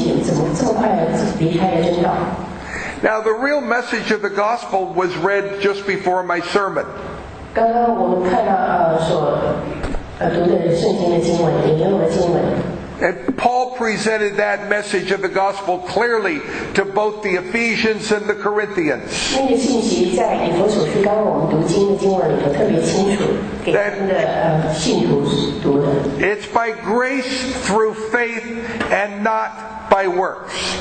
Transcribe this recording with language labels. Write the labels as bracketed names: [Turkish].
[English] Now the real message of the gospel was read just before my sermon. [Chinese] 刚刚我们看到所读的圣经的经文，引用的经文。 [English] And Paul presented that message of the gospel clearly to both the Ephesians and the Corinthians. [Chinese] 那个信息在以弗所书，刚刚我们读经的经文里头特别清楚，给他们的信徒读的。 [English] It's by grace through faith and not by works.